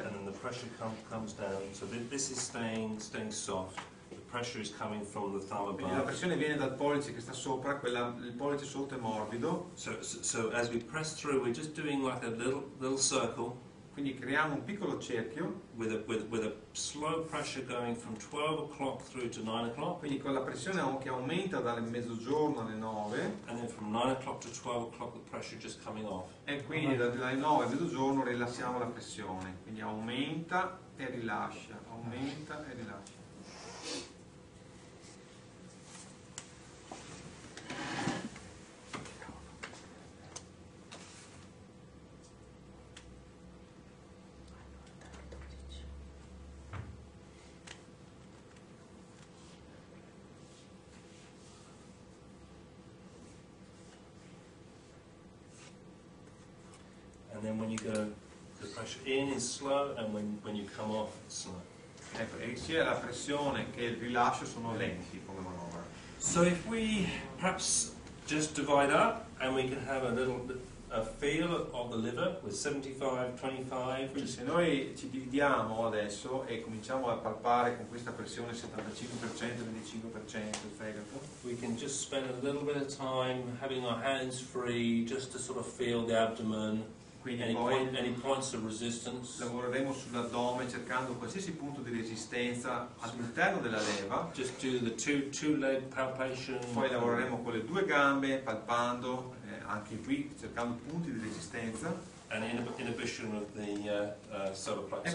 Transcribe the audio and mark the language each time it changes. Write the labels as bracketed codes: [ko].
[en] And then the pressure comes down. So this is staying soft. pressure is coming from the thumb above. [it] La pressione viene dal pollice che sta sopra, quella, il pollice sotto è morbido. [en] So as we press through, we're just doing like a little circle. [it] Quindi creiamo un piccolo cerchio [en] with a slow pressure going from 12 o'clock through to 9 o'clock. [it] Quindi con la pressione che aumenta dalle mezzogiorno alle 9. [en] And then from 9 o'clock to 12 o'clock the pressure just coming off. [it] E quindi dalle 9 a mezzogiorno rilassiamo la pressione. Quindi aumenta e rilascia, aumenta e rilascia. [en] And then when you go, the pressure in is slow, and when you come off, it's slow. [it] Ecco, e sia la pressione che il rilascio sono lenti come manovra. [en] So if we perhaps just divide up, and we can have a little a feel of the liver with 75-25. [it] Se noi ci dividiamo adesso e cominciamo a palpare con questa pressione 75%-25% del fegato, [en] we can just spend a little bit of time having our hands free, just to sort of feel the abdomen. Any points of resistance. [it] Lavoreremo sull'addome cercando qualsiasi punto di resistenza all'interno della leva. [en] Just do the two leg palpation. [it] Poi lavoreremo con le due gambe palpando anche qui cercando punti di resistenza. [en] And inhibition of the solar plexus.